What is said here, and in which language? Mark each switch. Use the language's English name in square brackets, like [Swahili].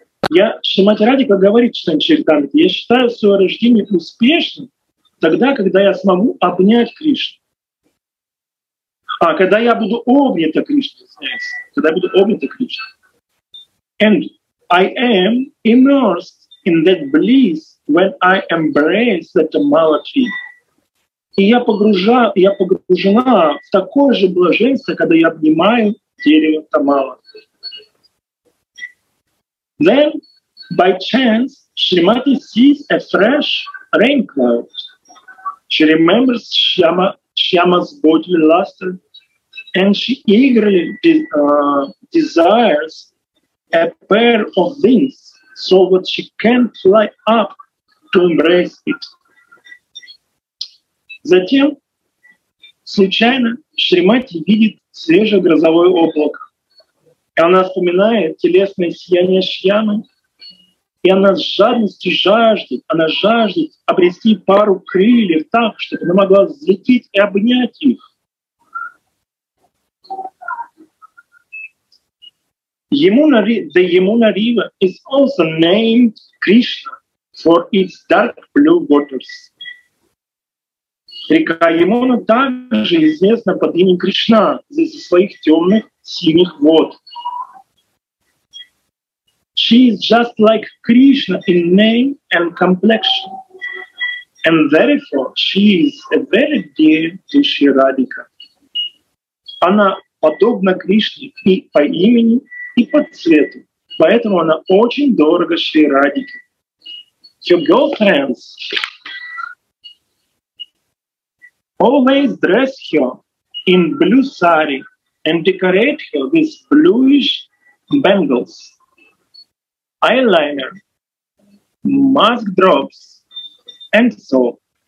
[Russian] Я, Шримати Радика говорит, что я считаю свое рождение успешным тогда, когда я смогу обнять Кришну. А когда я буду обнята Кришной, когда я буду обнята Кришной. [English] And I am immersed in that bliss when I embrace that Tamala tree. [Russian] И я погружена в такое же блаженство, когда я обнимаю дерево Тамала. [English] Then, by chance, Shrimati sees a fresh rain cloud. She remembers Shyama's bodily luster, and she eagerly desires a pair of wings so that she can fly up to embrace it. [Russian] Затем, случайно, Шримати видит свежее грозовое облако. И она вспоминает телесное сияние Шьямы. И она с жадностью жаждет, она жаждет обрести пару крыльев так, чтобы она могла взлететь и обнять их. [English] Yamuna River is also named Krishna for its dark blue waters. [Russian] Река Yamuna также известна под именем Кришна из-за своих темных синих вод. [English] She is just like Krishna in name and complexion, and therefore she is a very dear to Sri Radhika. [Russian] Она подобна Кришне и по имени, и по цвету, поэтому она очень дорога Шри Радике. [English] Your girlfriends always dress her in blue sari and decorate her with bluish bangles, eyeliner, mask drops, and so.